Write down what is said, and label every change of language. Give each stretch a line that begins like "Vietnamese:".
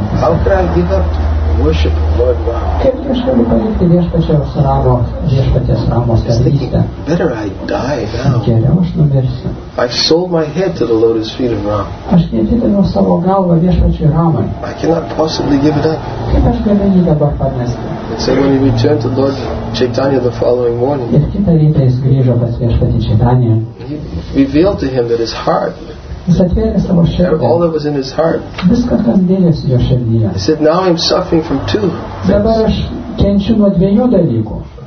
English: How can I give up worship of Lord Rama?
Lithuanian: Kaip aš galiu palikti Viešpaties Ramos tarnystę?
English: Better I die now.
Lithuanian: Geriau aš numirsiu.
English: I sold my head to the lotus feet of Rama.
Lithuanian: Aš atidaviau savo galvą Viešpačiui Ramai.
English: I cannot possibly give it up.
Lithuanian: Kaip aš galiu jį dabar pamesti?
English: And so when he returned to Lord Chaitanya the following morning, he revealed to him that his heart, all that was in his heart, he said, now I'm suffering from two things.